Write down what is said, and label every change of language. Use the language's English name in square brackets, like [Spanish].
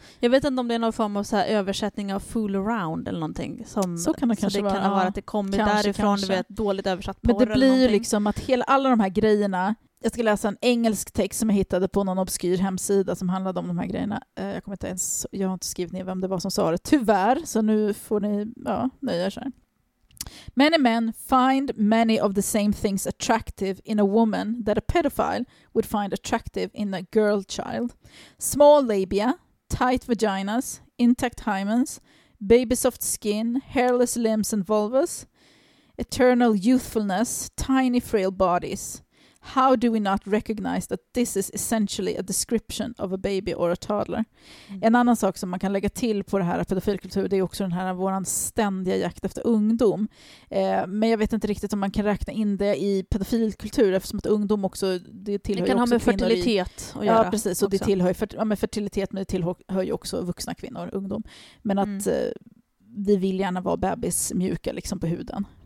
[Swedish] Jag vet inte om det är någon form av så här översättning av [English] fool around [Swedish] eller någonting. Som, så kan det kanske det vara. Det kan vara att det kommer kanske, därifrån. Kanske. Du vet, dåligt översatt porr. Men det blir ju liksom att alla de här grejerna. Jag ska läsa en engelsk text som jag hittade på någon obskyr hemsida som handlade om de här grejerna. Jag har inte skrivit ner vem det var som sa det. Tyvärr, så nu får ni nöja sig. [English] Many men find many of the same things attractive in a woman that a pedophile would find attractive in a girl child. Small labia, tight vaginas, intact hymens, baby soft skin, hairless limbs and vulvas, eternal youthfulness, tiny frail bodies. How do we not recognize that this is essentially a description of a baby or a toddler? Mm. [Swedish] En annan sak som man kan lägga till på det här pedofilkultur, det är också den här våran ständiga jakt efter ungdom. Men jag vet inte riktigt om man kan räkna in det i pedofilkultur eftersom att ungdom också det tillhör kan också ha med fertilitet att göra. Ja, precis. Och det tillhör med fertilitet, men det tillhör ju också vuxna kvinnor och ungdom. Men att vi vill gärna vara bebismjuka liksom på huden.